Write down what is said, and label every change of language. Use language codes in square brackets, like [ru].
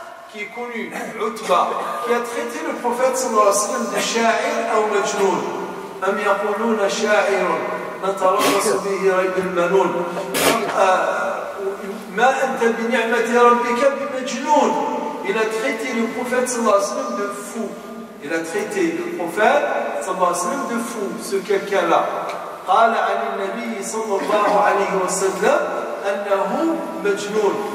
[fr] Qui est connu, Utba, qui a traité le prophète sallallahu alayhi wa sallam de sha'ir ou majnoun. [ar] أم يقولون شاعر نتربص به ريب المنون ما أنت بنعمة ربك بمجنون. [fr] Il a traité le prophète sallallahu alayhi wa sallam de fou. Il a traité le prophète sallallahu alayhi wa sallam de fou, ce quelqu'un-là. [ar] قال عن النبي صلى الله عليه وسلم أنه مجنون.